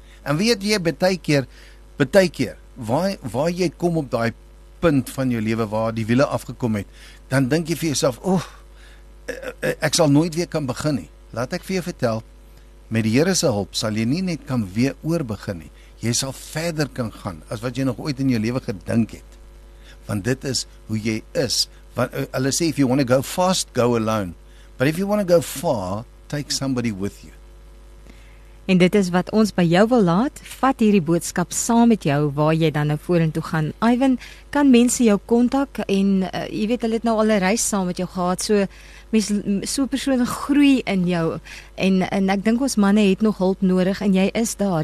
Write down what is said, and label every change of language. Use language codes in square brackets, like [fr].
[af] En weet jy, baie keer, waar jy kom op daai punt van jou lewe waar die wiele afgekom het, dan dink jy vir jouself, oef, ek sal nooit weer kan begin nie. Laat ek vir jou vertel, met die Here se hulp sal jy nie net kan weer oor begin nie. Jy sal verder kan gaan as wat jy nog ooit in jou lewe gedink het. Want dit is hoe jy is. Want hulle sê, [en] if you want to go fast, go alone. But if you want to go far, take somebody with you. [af] En dit is wat ons by jou wil laat. Vat hierdie boodskap saam met jou waar jy dan nou vorentoe gaan. Ivan, kan mense jou kontak en jy weet hulle het nou al 'n reis saam met jou gehad. So mens so 'n persoon groei in jou en ek dink ons manne het nog hulp nodig en jy is daar.